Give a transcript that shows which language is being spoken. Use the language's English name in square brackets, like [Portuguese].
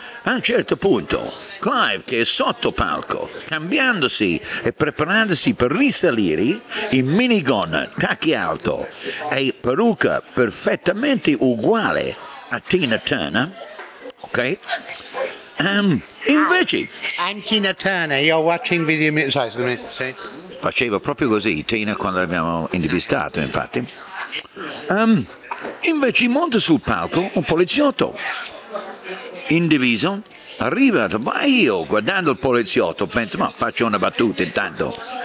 [Italian] A un certo punto, Clive, che è sotto palco, cambiandosi e preparandosi per risalire, in minigonna, tacchi alto e parrucca perfettamente uguale a Tina Turner, ok? Invece... [English] I'm Tina Turner, you're watching video music... Sorry, [Italian] scusami, sì. Faceva proprio così Tina quando l'abbiamo intervistato, infatti. Invece monta sul palco un poliziotto indiviso, arriva, ma io guardando il poliziotto penso, ma faccio una battuta intanto.